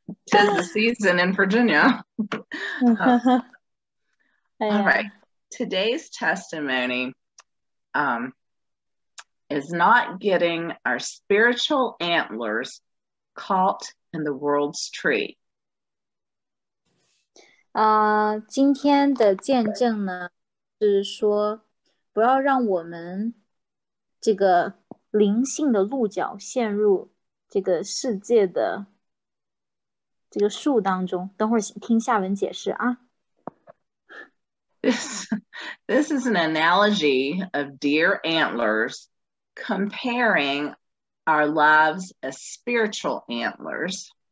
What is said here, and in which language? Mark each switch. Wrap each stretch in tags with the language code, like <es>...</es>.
<en>Tis the season in Virginia. All right. Today's testimony is not getting our spiritual antlers caught in the world's tree.</en> <zh>今天的见证呢，是说不要让我们这个灵性的鹿角陷入这个世界的这个树当中。等会儿听下文解释啊。</zh> <en>This is an analogy of deer antlers comparing our lives as spiritual antlers.</en>